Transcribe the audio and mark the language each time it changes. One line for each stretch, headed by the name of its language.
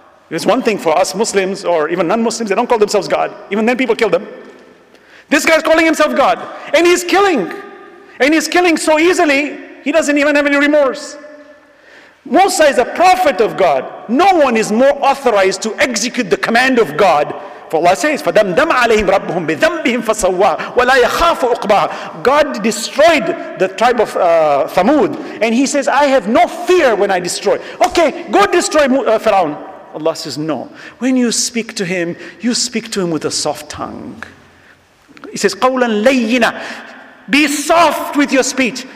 English: It's one thing for us Muslims or even non-Muslims, they don't call themselves God. Even then people kill them. This guy's calling himself God and he's killing. And he's killing so easily, he doesn't even have any remorse. Musa is a prophet of God. No one is more authorized to execute the command of God. For Allah says,
Arabic: فَدَمْدَمْ عَلَيْهِمْ رَبُّهُمْ بِذَنْبِهِمْ فَصَوَّهُ وَلَا يَخَافُ عُقْبَهُ.
English: God destroyed the tribe of Thamud. And he says, I have no fear when I destroy. Okay, go destroy Pharaoh. Allah says, no. When you speak to him, you speak to him with a soft tongue. He says,
Arabic: قَوْلًا لَيِّنًا.
English: Be soft with your speech.